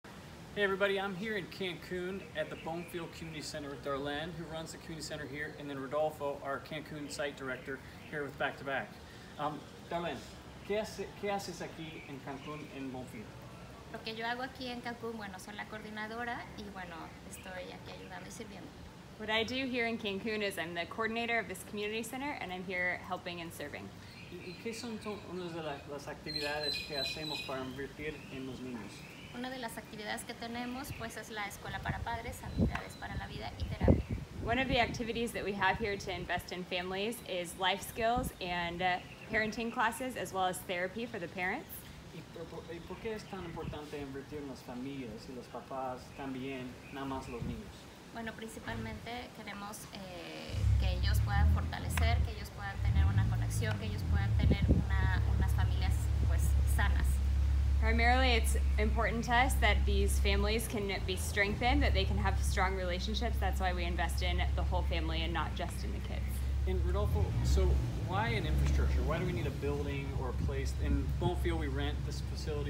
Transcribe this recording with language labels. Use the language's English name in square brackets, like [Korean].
[English] Hey everybody, I'm here in Cancun at the Bonfil Community Center with Darlene, who runs the community center here, and then Rodolfo, our Cancun site director, here with Back2Back. [Spanish] Darlene, ¿qué haces aquí en Cancun en Bonfil? Lo que yo hago aquí en Cancún, bueno, soy la coordinadora y bueno, estoy aquí ayudando y sirviendo. [English] What I do here in Cancun is I'm the coordinator of this community center and I'm here helping and serving. [Spanish] ¿Y qué son unas de las actividades que hacemos para invertir en los niños? Una de las actividades que tenemos pues es la escuela para padres, habilidades para la vida y terapia. [English] One of the activities that we have here to invest in families is life skills and parenting classes as well as therapy for the parents. [Spanish] ¿Y por qué es tan importante invertir en las familias y los papás también, nada más los niños? Bueno, principalmente queremos que ellos puedan fortalecer, que ellos puedan tener una conexión, que ellos puedan tener unas familias pues sanas. [English] Primarily, it's important to us that these families can be strengthened, that they can have strong relationships. That's why we invest in the whole family and not just in the kids. And Rodolfo, so why an infrastructure? Why do we need a building or a place? In Bonfil, we rent this facility.